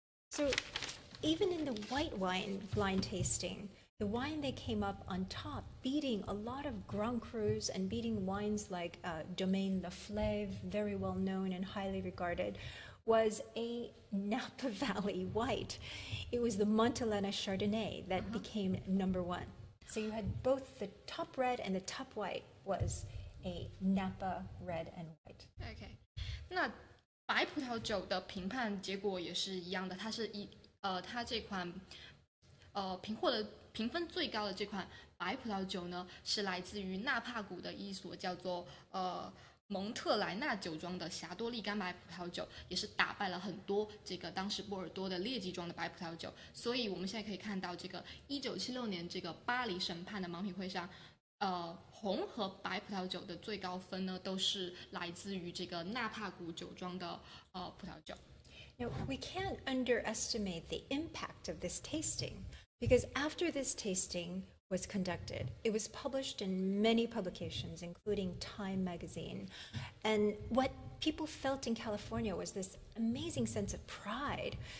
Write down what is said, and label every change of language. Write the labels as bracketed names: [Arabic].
[English] So even in the white wine blind tasting, the wine they came up on top, beating a lot of Grand Crus and beating wines like Domaine La Fleuve, very well known and highly regarded, was a Napa Valley white. It was the Montalena Chardonnay that became number one. So you had both the top red and the top white was a Napa red and white. Okay. Not... [Chinese] 白葡萄酒的评判结果也是一样的，它是它这款评分最高的这款白葡萄酒呢，是来自于纳帕谷的一所叫做蒙特莱纳酒庄的霞多丽干白葡萄酒，也是打败了很多这个当时波尔多的劣迹庄的白葡萄酒。所以我们现在可以看到，这个1976年这个巴黎审判的盲品会上，红和白葡萄酒的最高分呢，都是来自于这个纳帕谷酒庄的葡萄酒。 [English] Now, we can't underestimate the impact of this tasting, because after this tasting was conducted, it was published in many publications, including Time magazine. And what people felt in California was this amazing sense of pride.